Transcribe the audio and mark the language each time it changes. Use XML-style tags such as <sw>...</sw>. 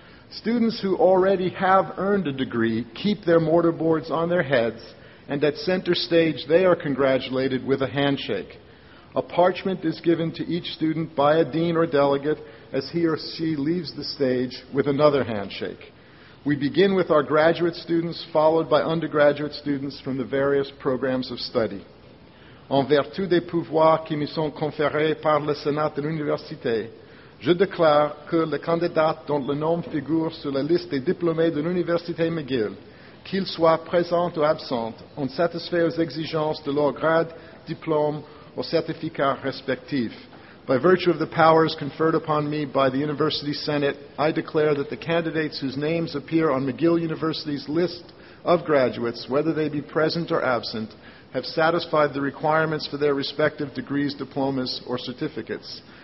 <en>Students who already have earned a degree keep their mortarboards on their heads, and at center stage, they are congratulated with a handshake. A parchment is given to each student by a dean or delegate as he or she leaves the stage with another handshake. We begin with our graduate students, followed by undergraduate students from the various programs of study.</en> <fr>En vertu des pouvoirs qui me sont conférés par le Sénat de l'Université, je déclare que le candidat dont le nom figure sur la liste des diplômés de l'Université McGill, qu'il soit présent ou absent, ont satisfait aux exigences de leur grade, diplôme, ou certificat respectif.</fr> <en>By virtue of the powers conferred upon me by the University Senate, I declare that the candidates whose names appear on McGill University's list of graduates, whether they be present or absent, have satisfied the requirements for their respective degrees, diplomas, or certificates.</en>